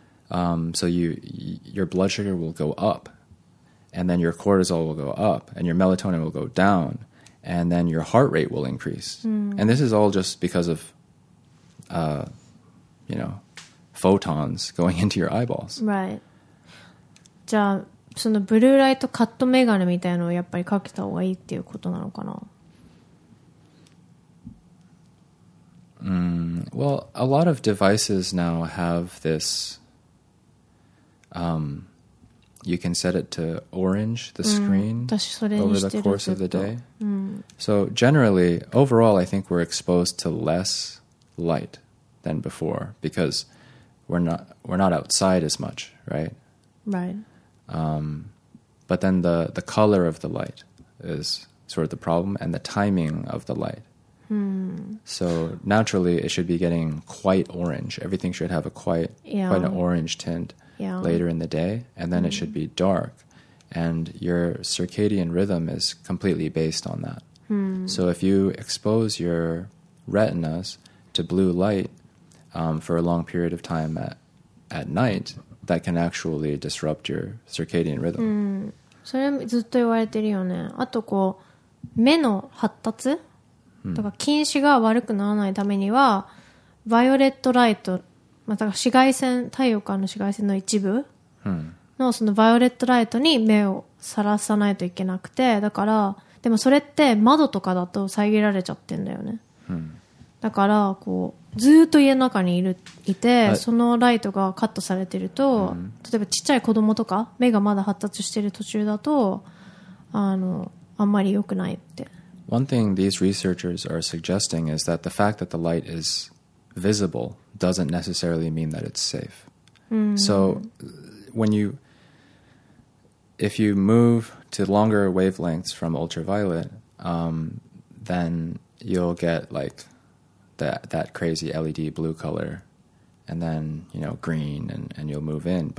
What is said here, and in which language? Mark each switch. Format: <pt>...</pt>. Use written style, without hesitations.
<en>So your blood sugar will go up, and then your cortisol will go up, and your melatonin will go down, and then your heart rate will increase. And this is all just because of, you know, photons going into your eyeballs. Right.</en> <ja>じゃあそのブルーライトカットメガネみたいのをやっぱりかけた方がいいっていうことなのかな。</ja> <en>Well, a lot of devices now have this. You can set it to orange, the screen, over the course of the day. So generally, overall, I think we're exposed to less light than before because we're not outside as much, right? Right. But then the color of the light is sort of the problem, and the timing of the light. So naturally, it should be getting quite orange. Everything should have a quite an orange tint later in the day, and then it should be dark. And your circadian rhythm is completely based on that. So if you expose your retinas to blue light for a long period of time at night, that can actually disrupt your circadian rhythm.</en> <ja>それもずっと言われてるよね。あとこう目の発達とか近視が悪くならないためには、バイオレットライト、まあ、だから紫外線、太陽からの紫外線の一部のそのバイオレットライトに目をさらさないといけなくて、だからでもそれって窓とかだと遮られちゃってんだよね。だからこうずっと家の中にいるいて、そのライトがカットされてると、例えばちっちゃい子供とか目がまだ発達してる途中だと、あんまり良くないって。</ja> <en>One thing these researchers are suggesting is that the fact that the light is visible doesn't necessarily mean that it's safe. So if you move to longer wavelengths from ultraviolet, then you'll get like that crazy LED blue color, and then, you know, green, and you'll move in.</en>